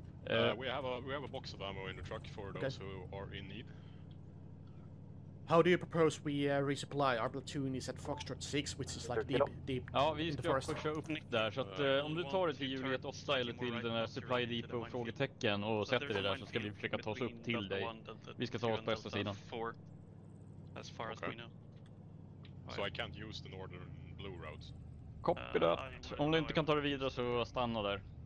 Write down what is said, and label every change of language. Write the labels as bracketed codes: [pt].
[en] We have a box of ammo in the truck for those who are in need. How do you propose we resupply? Our platoon is at Foxtrot 6, which is like deep [sv] ja, vi ska pusha upp Nick där, så att om du tar det till Juliet 8 eller till den här Supply Depot frågetecken och sätter det där så ska vi försöka ta oss upp till dig. Vi ska ta oss på östra sidan. [en] As far as we know. So I can't use the northern blue route. Copy that. [sv] Om du inte kan ta det vidare så stanna där.